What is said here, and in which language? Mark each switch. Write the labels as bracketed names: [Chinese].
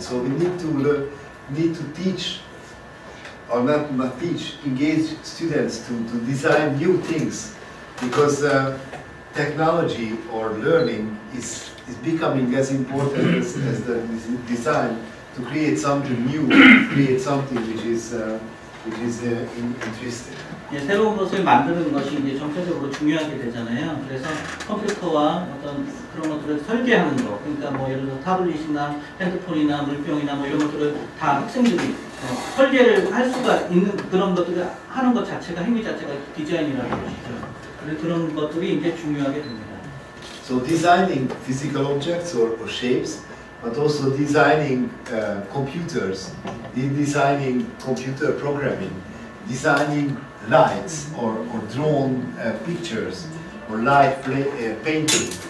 [English] So we need to teach, or not teach, engage students to design new things, because technology or learning is becoming as important as the design to create something new, create something which is interesting. [Korean] 예, 새로운 것을 만드는 것이 이제 전체적으로 중요하게 되잖아요. 그래서 컴퓨터와 어떤 그런 것들을 설계하는 것, 그러니까 뭐 예를 들어 타블릿이나 핸드폰이나 물병이나 뭐 이런 것들을 다 학생들이 설계를 할 수가 있는 그런 것들을 하는 것 자체가 행위 자체가 디자인이라는 것이죠. 그래서 그런 것들이 이제 중요하게 됩니다. [English] So designing physical objects or shapes. But also designing computers, designing computer programming, designing lights or drawn pictures or live painting.